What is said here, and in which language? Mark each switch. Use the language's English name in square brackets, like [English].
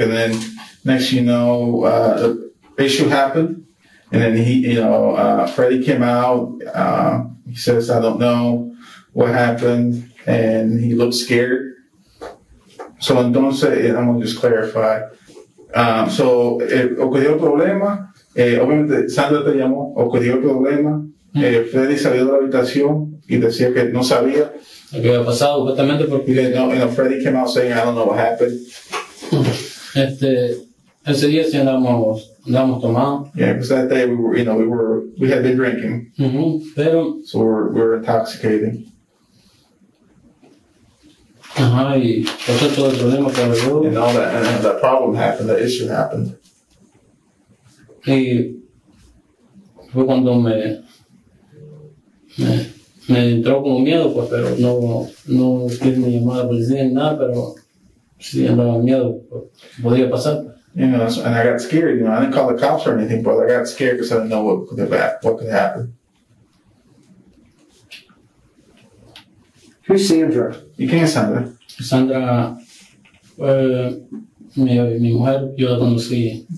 [English] And then next you know, the issue happened. And then Freddy came out. He says, I don't know what happened. And he looked scared. So don't say it, I'm gonna just clarify. [Spanish] Ocurrió el problema, obviamente Sandra te llamó, ocurrió el problema, Freddy salió de la habitación y decía que no sabía. Lo que había pasado, justamente porque... [English] Freddy came out saying, I don't know what happened. [Spanish] Ese día sí andamos tomados. [English] Yeah, because that day we had been drinking. [Spanish] Mm-hmm. Pero... [English] So we were intoxicating. [Spanish] Ajá, y pasó todo el problema que me dio. [English] And all that problem happened, the issue happened. [Spanish] Y fue cuando me entró como miedo, pues, pero no quise llamar a la policía ni nada, pero sí andaba miedo, podía pasar. [English] You know, and I got scared. You know, I didn't call the cops or anything, but I got scared because I didn't know what could happen. Who's Sandra? You can't, Sandra. [Spanish] Sandra, mi mujer, yo la conocí.